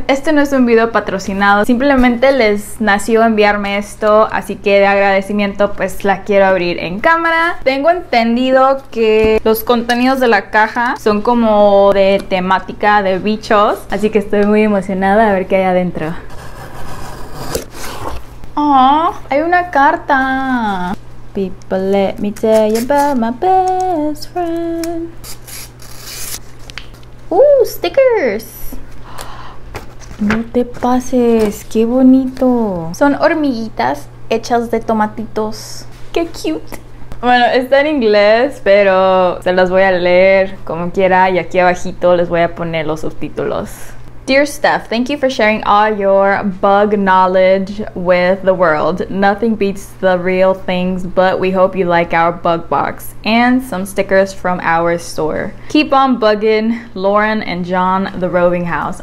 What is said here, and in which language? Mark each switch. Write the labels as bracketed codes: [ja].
[es] Este no es un video patrocinado, simplemente les nació enviarme esto, así que de agradecimiento pues la quiero abrir en cámara. Tengo entendido que los contenidos de la caja son como de temática de bichos, así que estoy muy emocionada a ver qué hay adentro. ¡Oh! ¡Hay una carta! [en] People, let me tell you about my best friend. [es] ¡Uh! ¡Stickers! ¡No te pases! ¡Qué bonito! Son hormiguitas hechas de tomatitos. ¡Qué cute! Bueno, está en inglés, pero se las voy a leer como quiera y aquí abajito les voy a poner los subtítulos. [en] Dear Steph, thank you for sharing all your bug knowledge with the world. Nothing beats the real things, but we hope you like our bug box and some stickers from our store. Keep on bugging Lauren and John, the Roving House.